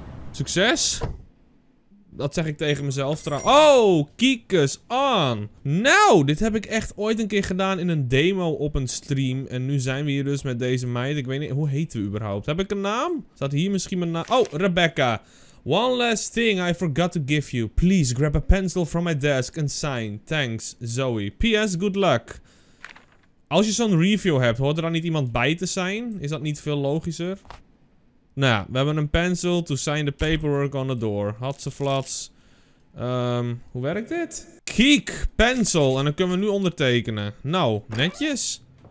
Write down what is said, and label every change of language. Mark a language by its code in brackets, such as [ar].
[nl] Succes. Dat zeg ik tegen mezelf trouwens. Oh, kiekes aan. Nou, dit heb ik echt ooit een keer gedaan in een demo op een stream. En nu zijn we hier dus met deze meid. Ik weet niet, hoe heet we überhaupt? Heb ik een naam? Staat hier misschien mijn naam? Oh, Rebecca. [en] One last thing I forgot to give you. Please grab a pencil from my desk and sign. Thanks, Zoe. P.S. Good luck. [nl] Als je zo'n review hebt, hoort er dan niet iemand bij te zijn? Is dat niet veel logischer? Nou, we hebben een [en] pencil to sign the paperwork on the door. [nl] Hatsaflats. Hoe werkt dit? Kiek, pencil. En dan kunnen we nu ondertekenen. Nou, netjes.